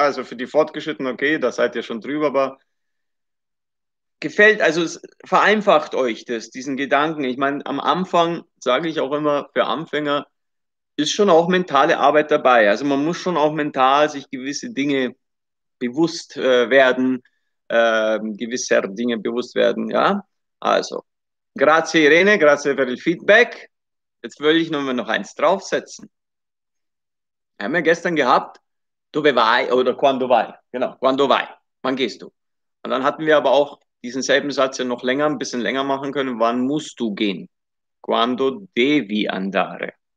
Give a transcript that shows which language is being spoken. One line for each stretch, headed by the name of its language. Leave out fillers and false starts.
German: Also für die Fortgeschrittenen, okay, da seid ihr schon drüber, aber gefällt, also es vereinfacht euch das, diesen Gedanken. Ich meine, am Anfang sage ich auch immer, für Anfänger ist schon auch mentale Arbeit dabei. Also man muss schon auch mental sich gewisse Dinge bewusst werden. Gewisser Dinge bewusst werden, ja.
Italian: Also, grazie Irene, grazie per il Feedback.
German: Jetzt würde ich nur noch eins draufsetzen. Wir haben ja gestern gehabt,
Italian: dove vai
German: oder
Italian: quando vai,
German: genau, quando vai, wann gehst du? Und dann hatten wir aber auch diesen selben Satz ja noch länger, ein bisschen länger machen können, wann musst du gehen?
Italian: Quando devi andare.